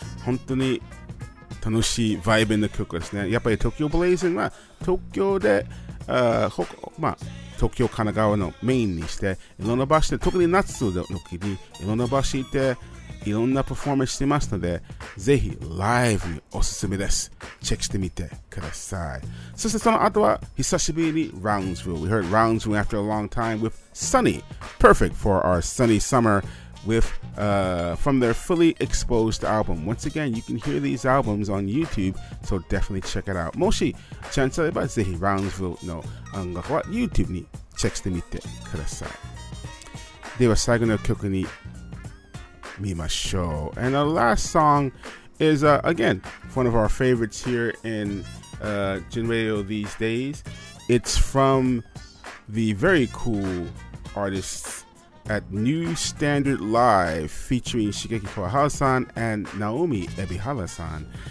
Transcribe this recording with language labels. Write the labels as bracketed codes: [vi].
[ja] 本当に楽しいバイブの曲ですね。やっぱり東京ブレイズンは東京で、まあ、東京、神奈川のメインにして、いろんな場所で、特に夏の時にいろんな場所でいろんなパフォーマンスしてますので、ぜひライブにおすすめです。チェックしてみてください。そしてその後は、久しぶりに Roundsville。 [en] We heard Roundsville after a long time with Sunny. Perfect for our sunny summer. With from their Fully Exposed album. Once again, you can hear these albums on YouTube, so definitely check it out. [ja] もしチャンスあればぜひ Roundsville の音楽は YouTube にチェックしてみてください。では最後の曲に見ましょう。 [en] And our last song is again one of our favorites here in Gen Radio these days. It's from the very cool artists. At New Standard Live featuring Shigeki Kawahara-san and Naomi Ebihara-san.